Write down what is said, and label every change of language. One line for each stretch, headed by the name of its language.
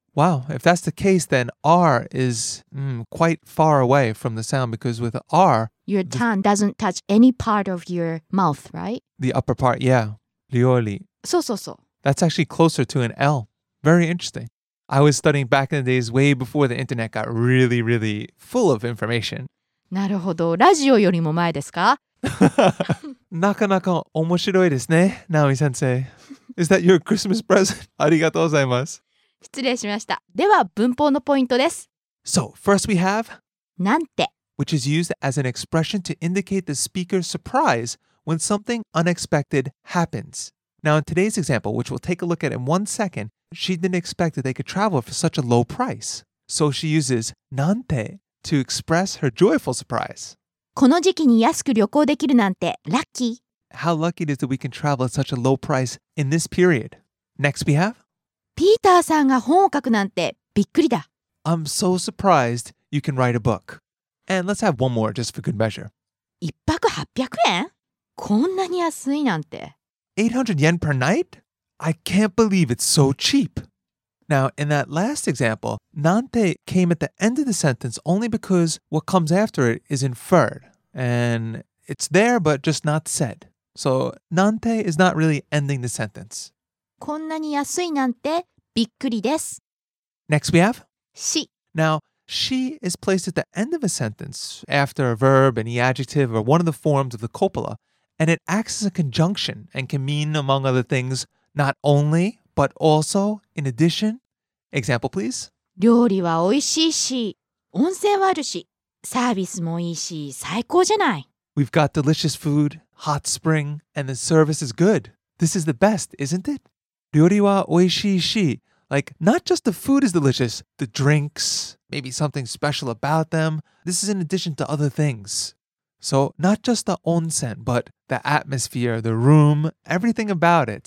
English: Wow, if that's the case, then R is quite far away from the sound because with R... Your tongue doesn't touch any part of your mouth, right? The upper part, yeah. Ryori. So, so, so. That's actually closer to an L. Very interesting. I was studying back in the days way before the internet got really, really full of information.
Japanese: なるほど。ラジオよりも前ですか？なかなか面白いですね、ナオミ先生。
English: Is that your Christmas present?
Japanese: ありがとうございます。失礼しました。では文法のポイントです。
English: So, first we have...
Japanese: なんて。
English: Which is used as an expression to indicate the speaker's surprise when something unexpected happens. Now in today's example, which we'll take a look at in one second,She didn't expect that they could travel for such a low price. So she uses nante to express her joyful surprise.
Japanese: この時期に安く旅行できるなんて、ラッキー。
English: How lucky it is that we can travel at such a low price in this period. Next we have...
Japanese: ピーターさんが本を書くなんて、びっくりだ。
English: I'm so surprised you can write a book. And let's have one more just for good measure.
Japanese: 一泊800円?こんなに安いなんて。
English: 800 yen per night? I can't believe it's so cheap. Now, in that last example, nante came at the end of the sentence only because what comes after it is inferred. And it's there, but just not said. So, nante is not really ending the sentence.
Japanese: こんなに安いなんてびっくりです。
English: Next we have?
Japanese: し。
English: Now, she is placed at the end of a sentence after a verb, any adjective, or one of the forms of the copula. And it acts as a conjunction and can mean, among other things,Not only, but also, in addition. Example, please.
Japanese: 料理は美味しいし、温泉はあるし、サービスもいいし、最高じゃない。
English: We've got delicious food, hot spring, and the service is good. This is the best, isn't it?
Japanese: 料理は美味しいし、
English: like, not just the food is delicious, the drinks, maybe something special about them. This is in addition to other things. So, not just the onsen, but the atmosphere, the room, everything about it.